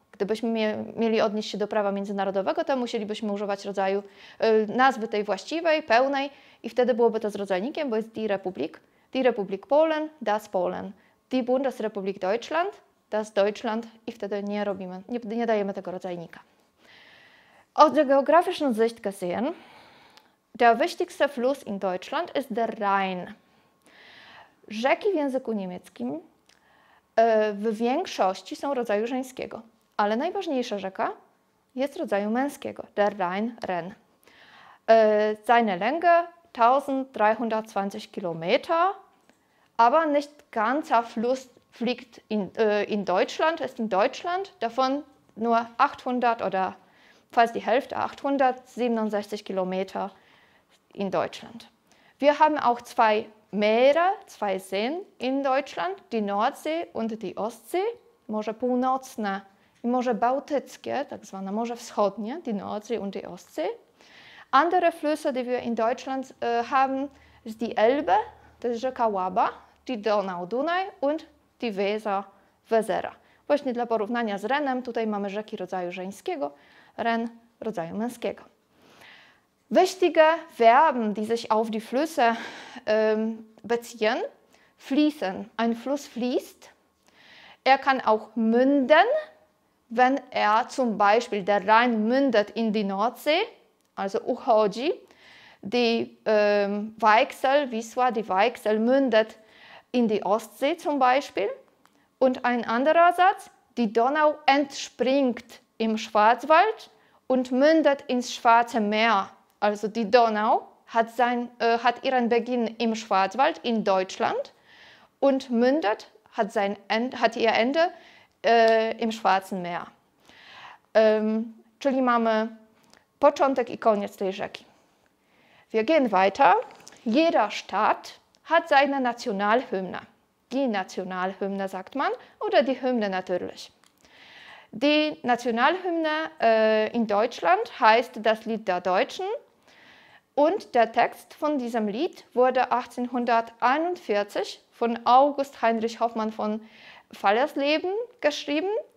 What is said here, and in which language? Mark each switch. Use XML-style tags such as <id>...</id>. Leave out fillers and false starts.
<pl>Gdybyśmy mieli odnieść się do prawa międzynarodowego, to musielibyśmy używać rodzaju nazwy tej właściwej, pełnej i wtedy byłoby to z rodzajnikiem, bo jest die Republik Polen, das Polen, die Bundesrepublik Deutschland, das Deutschland i wtedy nie robimy, nie dajemy tego rodzajnika.</pl> <de>Aus der geografischen Sicht gesehen, der wichtigste Fluss in Deutschland ist der Rhein.</de> <pl>Rzeki w języku niemieckim w większości są rodzaju żeńskiego, ale najważniejsza rzeka jest rodzaju męskiego, der Rhein, Rhen.</pl> <de>Seine Länge 1320 Kilometer, aber nicht ganzer Fluss fliegt in Deutschland, ist in Deutschland, davon nur 800 oder fast die Hälfte, 867 Kilometer in Deutschland. Wir haben auch zwei Meere, zwei Seen in Deutschland, die Nordsee und die Ostsee,</de> <pl>Morze Północne i Morze Bałtyckie, tak zwane Morze Wschodnie,</pl> <de>die Nordsee und die Ostsee. Andere Flüsse, die wir in Deutschland haben, ist die Elbe, das ist</de> <pl>rzeka Łaba,</pl> <de>die Donau, Dunaj und die Weser, Wesera.</de> <pl>Właśnie dla porównania z Renem, tutaj mamy rzeki rodzaju żeńskiego, Ren rodzaju męskiego.</pl> <de>Wichtige Verben, die sich auf die Flüsse beziehen, fließen. Ein Fluss fließt. Er kann auch münden, wenn er zum Beispiel, der Rhein mündet in die Nordsee, also</de> <pl>uchodzi.</pl> <de>Die Weichsel, Wisła, die Weichsel mündet in die Ostsee zum Beispiel. Und ein anderer Satz, die Donau entspringt im Schwarzwald und mündet ins Schwarze Meer. Also die Donau hat ihren Beginn im Schwarzwald in Deutschland und mündet, hat ihr Ende im Schwarzen Meer.</de> <pl>Czyli mamy początek i koniec tej rzeki.</pl> <de>Wir gehen weiter. Jeder Staat hat seine Nationalhymne. Die Nationalhymne, sagt man, oder die Hymne natürlich. Die Nationalhymne in Deutschland heißt das Lied der Deutschen. Und der Text von diesem Lied wurde 1841 von August Heinrich Hoffmann von Fallersleben geschrieben.</de>